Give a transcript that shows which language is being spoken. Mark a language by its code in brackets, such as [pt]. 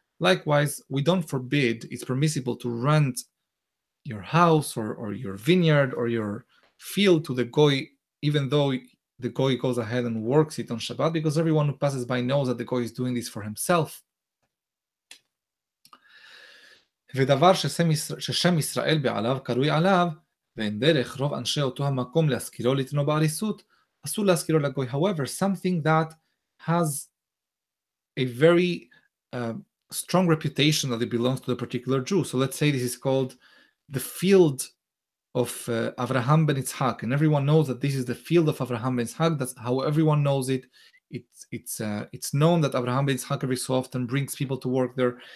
[en] Likewise, we don't forbid, it's permissible to rent your house or your vineyard or your field to the goy, even though the goy goes ahead and works it on Shabbat, because everyone who passes by knows that the goy is doing this for himself. [he] ודבר ששם ישראל בעליו קרוי עליו, ואין דרך רוב אנשי אותו המקום להזכירו לתנו בעריסות, אסור להזכירו לגוי. [en] However, something that has a very strong reputation that it belongs to the particular Jew. So let's say this is called the field of Avraham ben Yitzhak, and everyone knows that this is the field of Avraham ben Yitzhak. That's how everyone knows it. It's known that Avraham ben Yitzhak every so often brings people to work there.